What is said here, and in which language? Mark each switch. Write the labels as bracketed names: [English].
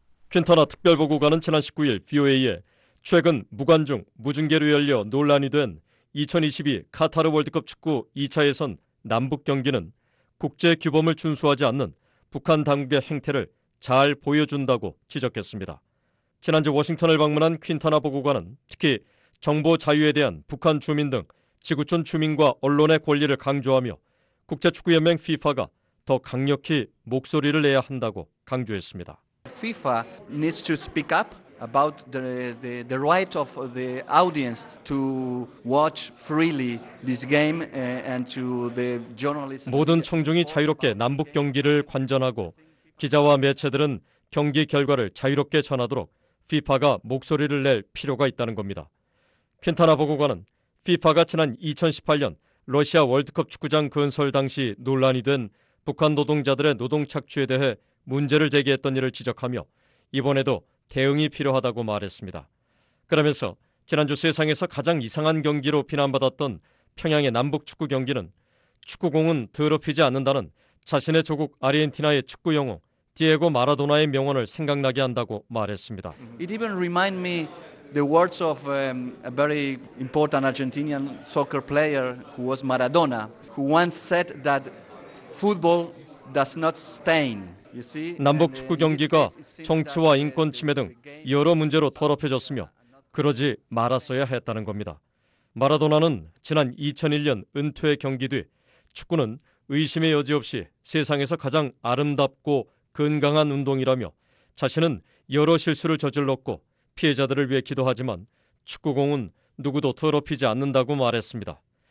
[Korean] 퀸타나 특별보고관은 지난 19일 VOA에 최근 무관중, 무중계로 열려 논란이 된 2022 카타르 월드컵 축구 2차 예선 남북 경기는 국제 규범을 준수하지 않는 북한 당국의 행태를 잘 보여준다고 지적했습니다. 지난주 워싱턴을 방문한 퀸타나 보고관은 특히 정보 자유에 대한 북한 주민 등 지구촌 주민과 언론의 권리를 강조하며 국제축구연맹 FIFA가 더 강력히 목소리를 내야 한다고 강조했습니다. [English] FIFA needs to speak up about the right of the audience to watch freely this game and to the journalists. [Korean] 모든 청중이 자유롭게 남북 경기를 관전하고 기자와 매체들은 경기 결과를 자유롭게 전하도록 FIFA가 목소리를 낼 필요가 있다는 겁니다. 퀸타나 보고관은 FIFA가 지난 2018년 러시아 월드컵 축구장 건설 당시 논란이 된 북한 노동자들의 노동 착취에 대해 문제를 제기했던 일을 지적하며 이번에도 대응이 필요하다고 말했습니다. 그러면서 지난주 세상에서 가장 이상한 경기로 비난받았던 평양의 남북 축구 경기는 축구공은 더럽히지 않는다는 자신의 조국 아르헨티나의 축구 영웅 디에고 마라도나의 명언을 생각나게 한다고 말했습니다. [English] It even remind me the words of a very important Argentinian soccer player who was Maradona who once said that football does not stain. [Korean] 남북 축구 경기가 정치와 인권 침해 등 여러 문제로 더럽혀졌으며 그러지 말았어야 했다는 겁니다. 마라도나는 지난 2001년 은퇴 경기 뒤 축구는 의심의 여지 없이 세상에서 가장 아름답고 건강한 운동이라며 자신은 여러 실수를 저질렀고 피해자들을 위해 기도하지만 축구공은 누구도 더럽히지 않는다고 말했습니다.